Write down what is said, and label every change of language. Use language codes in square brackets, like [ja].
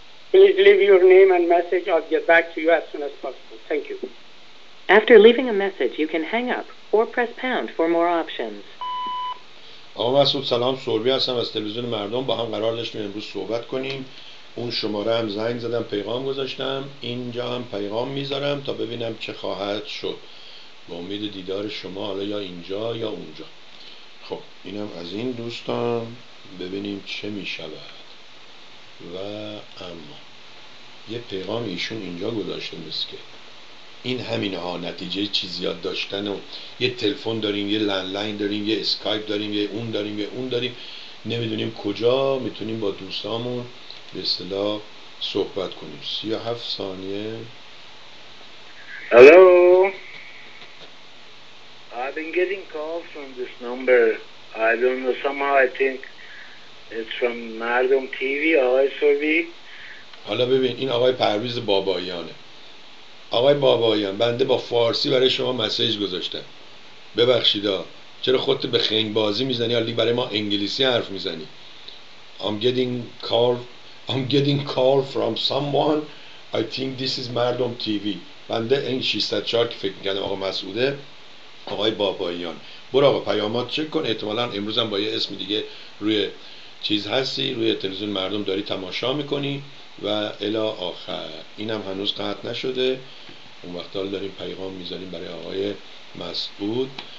[en] Please leave your name and message. I'll get back to you as soon as possible. Thank you. After leaving a message, you can hang up or press pound for more options. [fa] آقا مسعود سلام، سوربی هستم از تلویزیون مردم. با هم قرار داشتیم امروز صحبت کنیم. اون شماره هم زنگ زدم، پیغام گذاشتم. اینجا هم پیغام میذارم تا ببینم چه خواهد شد. با امید دیدار شما، حالا یا اینجا یا اونجا. خب اینم از این دوستان، ببینیم چه می شود. و اما یه پیغام ایشون اینجا گذاشته نیست که این همین ها نتیجه چیزی یاد داشتن. و یه تلفن داریم، یه لندلاین داریم، یه اسکایپ داریم، یه اون داریم، یه اون داریم، نمیدونیم کجا میتونیم با دوستامون به اصطلاح صحبت کنیم. 37 ثانیه. [en] Hello, I've been getting calls from this number. I don't know, somehow I think it's from Mardom TV. [fa] آقای سوربی، حالا ببین این آقای پرویز بابایانه. آقای بابایان، بنده با فارسی برای شما مسیج گذاشتم، ببخشیدا. چرا خودت به خنگ بازی میزنی؟ حالا برای ما انگلیسی حرف میزنی. [en] I'm getting call from someone. I think this is Mardom TV. [fa] بنده این 604 که فکر میکردم آقا مسعوده، آقای بابایان. برو آقا پیامات چک کن، احتمالا امروز هم با یه اسم دیگه روی چیز هستی، روی تلویزیون مردم داری تماشا میکنی. و الی آخر اینم هنوز قطع نشده، اون وقت حال داریم پیغام میذاریم برای آقای مسعود.